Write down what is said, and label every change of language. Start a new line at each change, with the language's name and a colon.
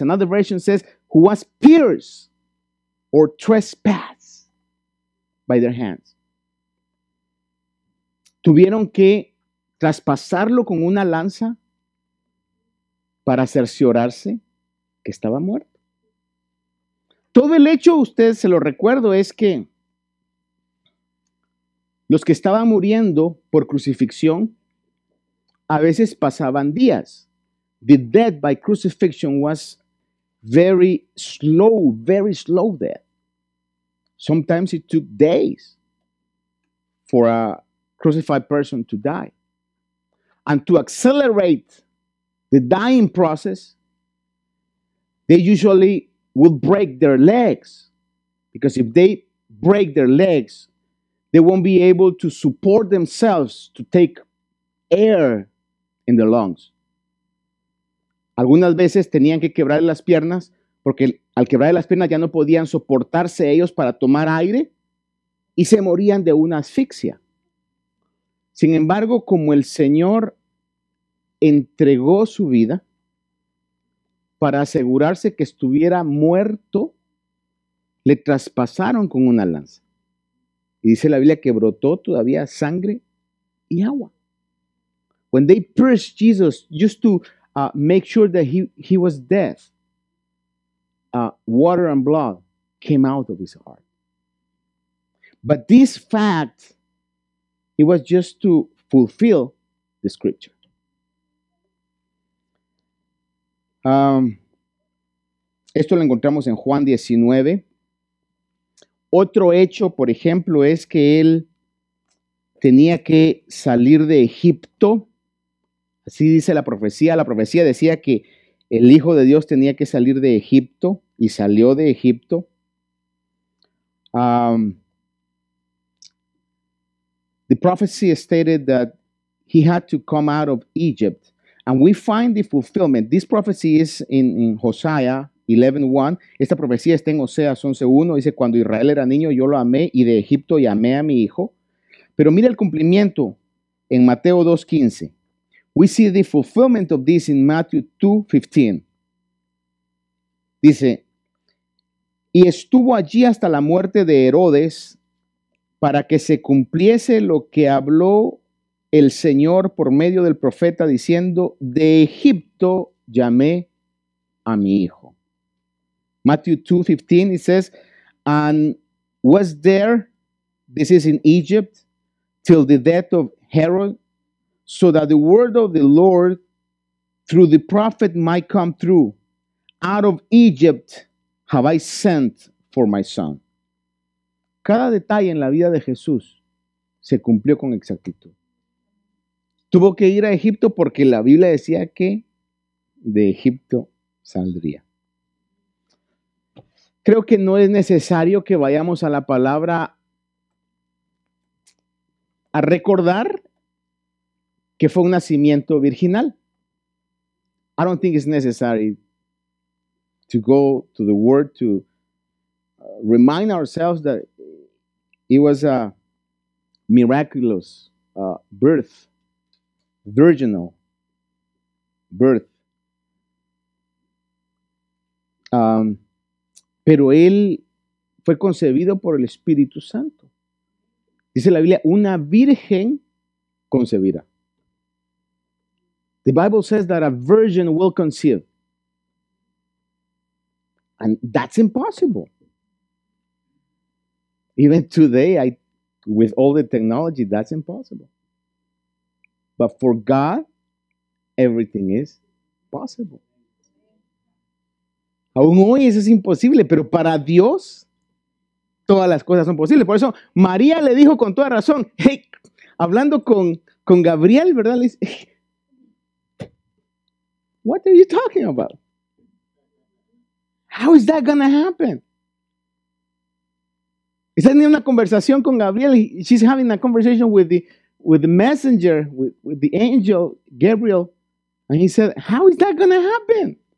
English: Another version says, who was pierced or trespassed by their hands.
Spanish: Tuvieron que traspasarlo con una lanza para cerciorarse que estaba muerto. Todo el hecho, usted se lo recuerdo, es que los que estaban muriendo por crucifixión a veces pasaban días.
English: The death by crucifixion was very slow death. Sometimes it took days for a crucified person to die. And to accelerate the dying process, they usually will break their legs, because if they break their legs, they won't be able to support themselves to take air in their lungs.
Spanish: Algunas veces tenían que quebrar las piernas porque al quebrar las piernas ya no podían soportarse ellos para tomar aire y se morían de una asfixia. Sin embargo, como el Señor entregó su vida para asegurarse que estuviera muerto, le traspasaron con una lanza. Y dice la Biblia que brotó todavía sangre y agua.
English: When they pierced Jesus just to make sure that he was dead, water and blood came out of his heart. But this fact, it was just to fulfill the scripture.
Spanish: Esto lo encontramos en Juan 19. Otro hecho, por ejemplo, es que él tenía que salir de Egipto. Así dice la profecía. La profecía decía que el Hijo de Dios tenía que salir de Egipto y salió de Egipto.
English: The prophecy stated that he had to come out of Egypt. And we find the fulfillment. This prophecy is in Hosea 11:1.
Spanish: Esta profecía está en Oseas 11:1. Dice, cuando Israel era niño, yo lo amé, y de Egipto llamé a mi hijo. Pero mira el cumplimiento en Mateo 2:15.
English: We see the fulfillment of this in Matthew 2:15.
Spanish: Dice, y estuvo allí hasta la muerte de Herodes para que se cumpliese lo que habló el Señor por medio del profeta diciendo, de Egipto llamé a mi hijo.
English: Matthew 2:15, it says, and was there, this is in Egypt, till the death of Herod, so that the word of the Lord through the prophet might come through. Out of Egypt have I sent for my son.
Spanish: Cada detalle en la vida de Jesús se cumplió con exactitud. Tuvo que ir a Egipto porque la Biblia decía que de Egipto saldría. Creo que no es necesario que vayamos a la palabra a recordar que fue un nacimiento virginal.
English: I don't think it's necessary to go to the word to remind ourselves that it was a miraculous birth. Virginal birth.
Spanish: Pero él fue concebido por el Espíritu Santo. Dice la Biblia, una virgen concebirá.
English: The Bible says that a virgin will conceive. And that's impossible. Even today, with all the technology, that's impossible. But for God, everything is possible.
Spanish: Aún hoy eso es imposible, pero para Dios, todas las cosas son posibles. Por eso, María le dijo con toda razón, hey, hablando con Gabriel, ¿verdad? Le dice,
English: what are you talking about? How is that going to happen?
Spanish: Está teniendo una conversación con Gabriel.
English: She's having a conversation with the messenger, with the angel, Gabriel. And he said, how is that going to happen?